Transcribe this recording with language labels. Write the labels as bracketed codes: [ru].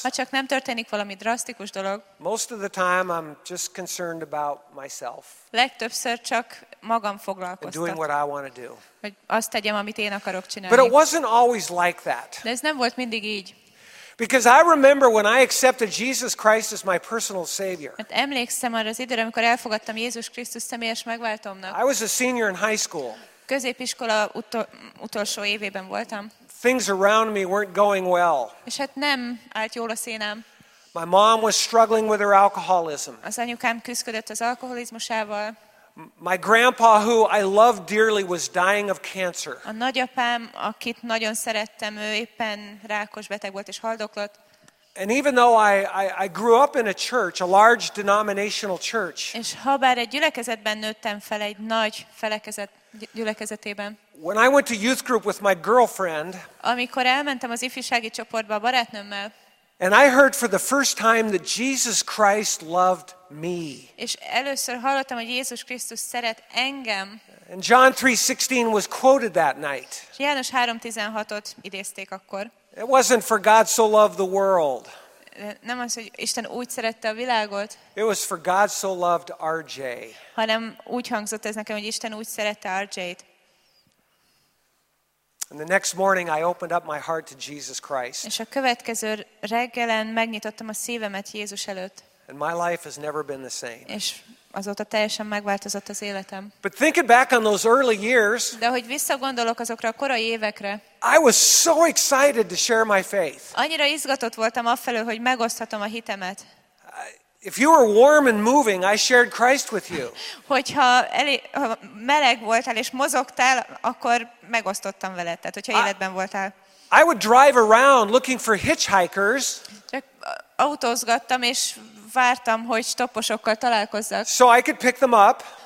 [hu] Ha csak nem történik valami drasztikus dolog. [en] Most of the time I'm just concerned about myself. [hu] Legtöbbször csak magam foglalkoztat. [en] Doing what I want to do. [hu] Hogy azt tegyem, amit én akarok csinálni. [en] But it wasn't always like that. [hu] De ez nem volt mindig így. [en] Because I remember when I accepted Jesus Christ as my personal savior. [hu] Hát emlékszem arra az időre, amikor elfogadtam Jézus Krisztus személyes megváltómnak. [en] I was a senior in high school. [hu] Középiskola utolsó évében voltam. [en] Things around me weren't going well. [hu] És hát nem állt jól a szénám. [en] My mom was struggling with her alcoholism. [hu] Az anyukám küzdött az alkoholizmusával. [en] My grandpa, who I loved dearly, was dying of cancer. [hu] A nagyapám, akit nagyon szerettem, ő éppen rákos beteg volt és haldoklott. [en] And even though I grew up in a church, a large denominational church. [hu] És habár egy gyülekezetben nőttem fel, egy nagy felekezet gyülekezetében. [en] When I went to youth group with my girlfriend. [hu] Amikor elmentem az ifjúsági csoportba a barátnőmmel. [en] And I heard for the first time that Jesus Christ loved me. [hu] És először hallottam, hogy Jézus Krisztus szeret engem. [en] And John 3:16 was quoted that night. [hu] János 3:16-ot idézték akkor. [en] It wasn't for God so loved the world. [hu] Nem az, hogy Isten úgy szerette a világot. [en] It was for God so loved RJ. [hu] Hanem úgy hangzott ez nekem, hogy Isten úgy szerette RJ-t. [en] And the next morning I opened up my heart to Jesus Christ. [hu] És a következő reggelen megnyitottam a szívemet Jézus előtt. [en] And my life has never been the same. [hu] És azóta teljesen megváltozott az életem. [en] But thinking back on those early years, [hu] de hogy visszagondolok azokra a korai évekre, [en] I was so excited to share my faith. [hu] Annyira izgatott voltam afelől, hogy megoszthatom a hitemet. [en] If you were warm and moving, I shared Christ with you. [hu] Hogyha meleg voltál és mozogtál, akkor megosztottam veled. Tehát, hogyha életben voltál. [en] I would drive around looking for hitchhikers. [hu] Csak autózgattam és vártam, hogy stopposokkal találkozzak. [en] So I could pick them up.